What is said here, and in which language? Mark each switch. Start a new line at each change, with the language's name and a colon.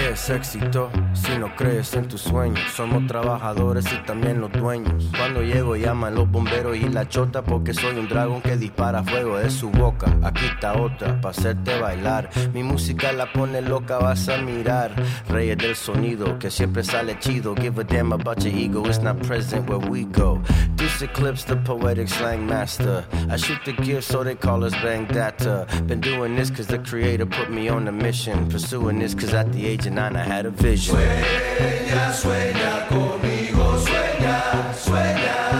Spanish: Éxito, si no crees en tus sueños, somos trabajadores y también los dueños. Cuando llego llaman los bomberos y la chota, porque soy un dragón que dispara fuego de su boca. Aquí está otra para hacerte bailar. Mi música la pone loca, vas a mirar. Reyes del sonido, que siempre sale chido.
English: Give a damn about your ego, it's not present where we go. This eclipse, the poetic slang master. I shoot the gear so they call us Bang Data. Been doing this cause the creator put me on a mission. Pursuing this cause at the age of 9 I had a vision.
Spanish: Sueña, sueña conmigo, sueña, sueña.